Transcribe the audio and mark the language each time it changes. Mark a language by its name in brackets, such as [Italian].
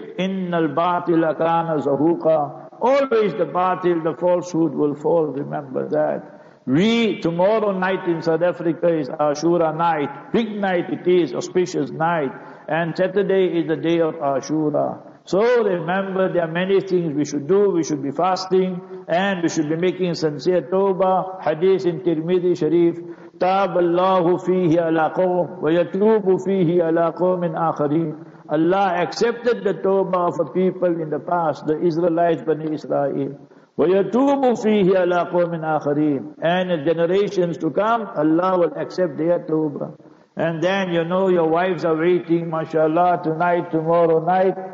[Arabic] Innal batila kana zahuqa. [English] Always the batil, the falsehood will fall, remember that. We, tomorrow night in South Africa is Ashura night. Big night it is, auspicious night. And Saturday is the day of Ashura. So remember, there are many things we should do. We should be fasting and we should be making sincere tawbah. Hadith in Tirmidhi Sharif, [Arabic] تَابَ اللَّهُ فِيهِ عَلَىٰ قَوْمٍ وَيَتُوبُ فِيهِ عَلَىٰ قَوْمٍ آخَرِينَ. [English] Allah accepted the tawbah of a people in the past, the Israelites, Bani Israel. [Arabic] وَيَتُوبُ فِيهِ عَلَىٰ قَوْمٍ آخَرِينَ. [English] And in generations to come, Allah will accept their tawbah. And then you know your wives are waiting, mashallah, tonight, tomorrow night.